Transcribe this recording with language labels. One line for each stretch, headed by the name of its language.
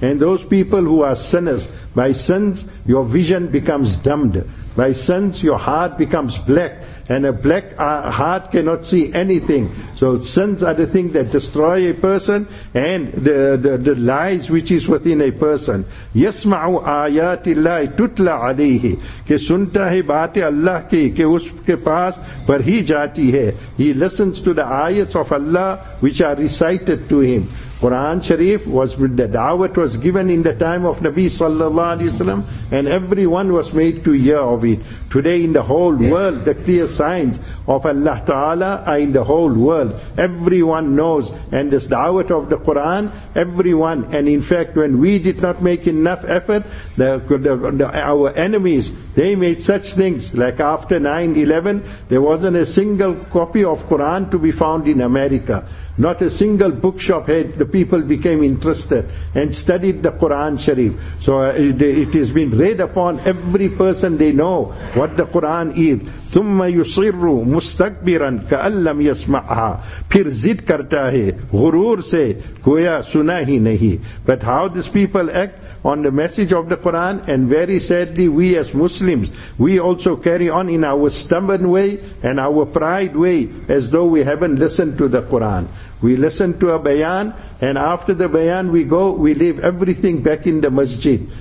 English: And those people who are sinners, by sins your vision becomes dimmed, by sins your heart becomes black, and a black heart cannot see anything. So sins are the thing that destroy a person, and the lies which is within a person.
Arabic: يَسْمَعُ آيَاتِ اللَّهِ تُتْلَ عَلَيْهِ
Urdu: کہ سنتا ہے بات اللہ کی کہ اس کے پاس پر ہی جاتی ہے.
English: He listens to the ayats of Allah which are recited to him. Quran Sharif was with the da'wah was given in the time of Nabi sallallahu alayhi wa sallam, and everyone was made to hear of it. Today in the whole world, the clear signs of Allah Ta'ala are in the whole world. Everyone knows, and this da'wah of the Quran, everyone, and in fact when we did not make enough effort, our enemies, they made such things, like after 9/11, there wasn't a single copy of Quran to be found in America. Not a single bookshop had, the people became interested and studied the Quran Sharif. So it has been read upon every person, they know what the Quran is.
Arabic: ثُمَّ يُصِرُّ مُسْتَكْبِرًا كَأَلَّمْ يَسْمَعْهَا
Urdu: پھر زد کرتا ہے غرور سے گویا سنا ہی نہیں.
English: But how these people act on the message of the Quran, and very sadly we as Muslims, we also carry on in our stubborn way and our pride way as though we haven't listened to the Quran. We listen to a bayan, and after the bayan we go, we leave everything back in the masjid.